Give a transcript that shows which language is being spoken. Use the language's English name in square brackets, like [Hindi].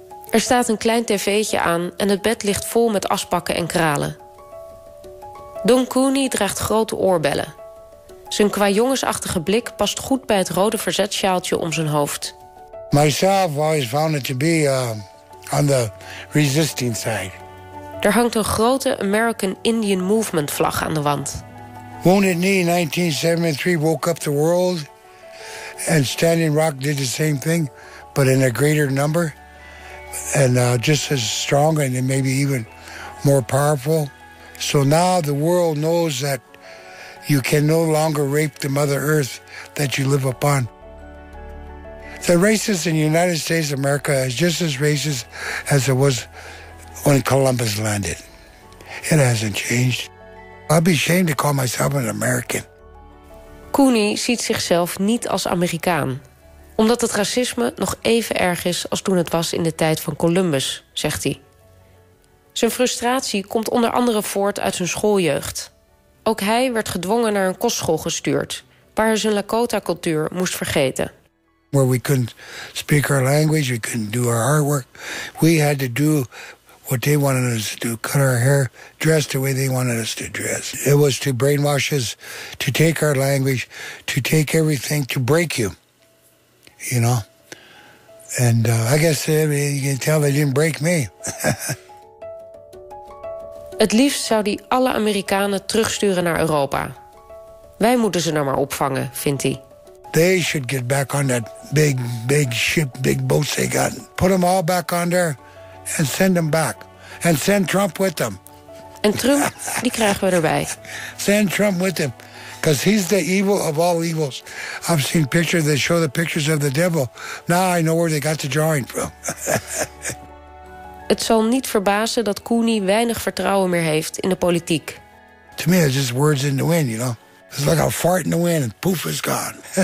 [Dutch] Er staat een klein tv'tje aan en het bed ligt vol met aspakken en kralen. Don Cooney draagt grote oorbellen. Zijn kwajongensachtige blik past goed bij het rode verzetsjaaltje om zijn hoofd. [English] Myself always found it to be on the resisting side. [Dutch] Er hangt een grote American Indian Movement vlag aan de wand. [English] Wounded Knee 1973 woke up the world. And Standing Rock did the same thing, but in a greater number. And just as strong and maybe even more powerful. So now the world knows that you can no longer rape the Mother Earth that you live upon. The racist in the United States of America is just as racist as it was when Columbus landed. It hasn't changed. I'd be ashamed to call myself an American. [Dutch] Cooney ziet zichzelf niet als Amerikaan. Omdat het racisme nog even erg is als toen het was in de tijd van Columbus, zegt hij. Zijn frustratie komt onder andere voort uit zijn schooljeugd. Ook hij werd gedwongen naar een kostschool gestuurd, waar hij zijn Lakota-cultuur moest vergeten. [English] Where we couldn't speak our language, we couldn't do our artwork. We had to do what they wanted us to do, cut our hair, dress the way they wanted us to dress. It was to brainwash us, to take our language, to take everything, to break you. You know? And I guess you can tell they didn't break me. [Dutch] Het liefst zou hij alle Amerikanen terugsturen naar Europa. Wij moeten ze nou maar opvangen, vindt hij. [English] They should get back on that big, big ship, big boats they got. Put them all back on there and send them back. And send Trump with them. [Dutch] En Trump, die krijgen we erbij. [English] Send Trump with them. Because he's the evil of all evils. I've seen pictures that show the pictures of the devil. Now I know where they got the drawing from. [Dutch] Het zal niet verbazen dat Cooney weinig vertrouwen meer heeft in de politiek. [English] To me, it's just words in the wind, you know. It's like a fart in the wind and poof is gone.